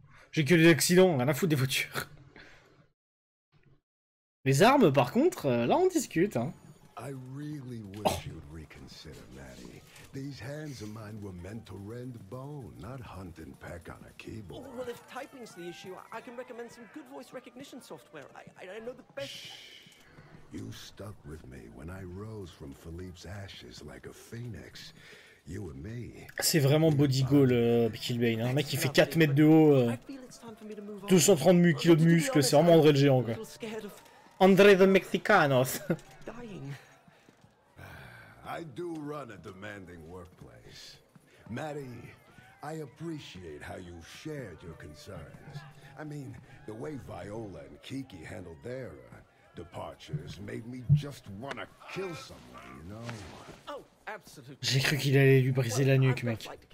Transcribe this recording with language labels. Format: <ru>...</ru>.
<fr>J'ai que des accidents, rien à foutre des voitures. Les armes, par contre, là on discute, hein.</fr> <en>I really wish you'd reconsider, Maddie. These hands of mine were meant to rend bone, not hunt and peck on a keyboard. Well, if typing's the issue, I can recommend some good voice recognition software. I know the best... Shh. You stuck with me when I rose from Philippe's ashes like a phoenix. You and me...</en> <fr>C'est vraiment body goal, Killbane. Un mec qui fait 4 mètres de haut, 230 kilos de muscles, c'est vraiment André le géant, quoi. André the Mexicanos.</fr> <en>I do run a demanding workplace. Maddie, I appreciate how you shared your concerns. I mean, the way Viola and Kiki handled their departures made me just want to kill someone, you know? Oh, absolutely.</en> <fr>J'ai cru qu'il allait lui briser la nuque, mec.</fr>